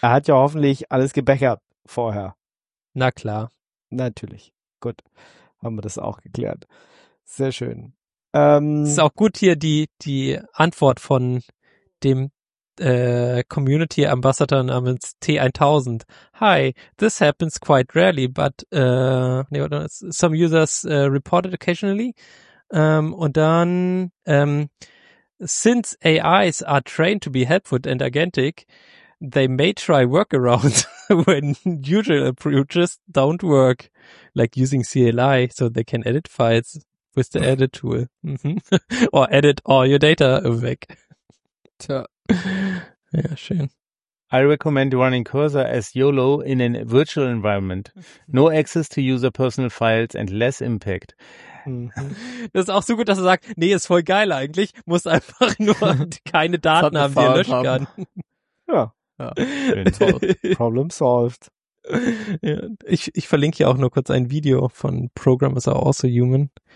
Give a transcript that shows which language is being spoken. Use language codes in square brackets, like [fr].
[de] Er hat ja hoffentlich alles gebackert vorher. Na klar. Natürlich. Gut. Haben wir das auch geklärt. Sehr schön. Ist auch gut hier die Antwort von dem Community Ambassador namens T1000. [en] Hi, this happens quite rarely, but some users reported occasionally. [de] Und dann [en] since AIs are trained to be helpful and agentic, they may try workarounds when usual approaches don't work, like using CLI so they can edit files with the edit tool. Or edit all your data weg. [de] Tja. Ja, schön. [en] I recommend running Cursor as YOLO in a virtual environment. No access to user personal files and less impact. [de] Das ist auch so gut, dass er sagt, nee, ist voll geil eigentlich. Muss einfach nur keine Daten haben, die er löschen haben. Kann. [en] Ja. Problem solved. [de] Ja, ich verlinke hier auch nur kurz ein Video von Programmers Are Also Human.